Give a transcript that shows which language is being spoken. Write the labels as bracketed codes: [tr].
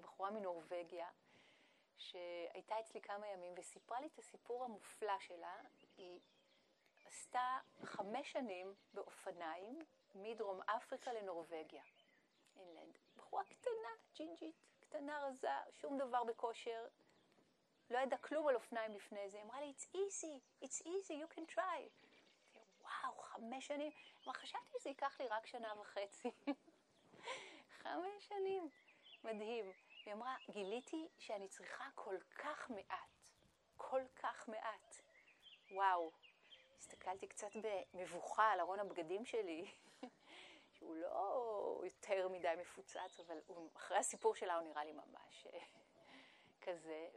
[he] בחורה מנורווגיה שהייתה אצלי כמה ימים וסיפרה לי את הסיפור המופלא שלה. היא עשתה 5 שנים באופניים מדרום אפריקה לנורווגיה, אינלנד. בחורה קטנה, ג'ינג'ית, קטנה רזה, שום דבר בכושר. לא ידע כלום על אופניים לפני זה. אמרה לי, [en] it's easy, you can try. [he] וואו, 5 שנים. אבל חשבתי שזה ייקח לי רק 1.5 שנים. 5 שנים. מדהים. היא אמרה, גיליתי שאני צריכה כל כך מעט. כל כך מעט. וואו, הסתכלתי קצת במבוכה על ארון הבגדים שלי, שהוא לא יותר מדי מפוצץ, אבל הוא, אחרי הסיפור שלה הוא נראה לי ממש כזה.